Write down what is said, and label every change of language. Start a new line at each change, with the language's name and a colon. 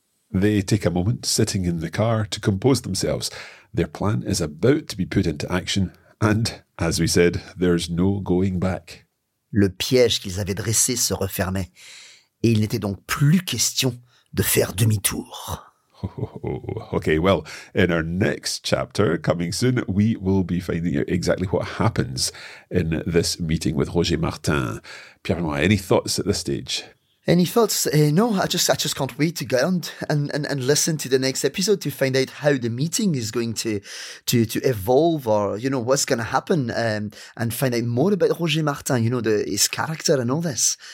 English: They take a moment, sitting in the car, to compose themselves. Their plan is about to be put into action, and, as we said, there's no going back.
French: Le piège qu'ils avaient dressé se refermait, et il n'était donc plus question de faire demi-tour.
English: Okay, well, in our next chapter, coming soon, we will be finding out exactly what happens in this meeting with Roger Martin. Pierre-Benoît, any thoughts at this stage? Any thoughts? No, I just can't wait to go and listen to the next episode to find out how the meeting is going to evolve, or, you know, what's going to happen, and find out more about Roger Martin, you know, his character and all this.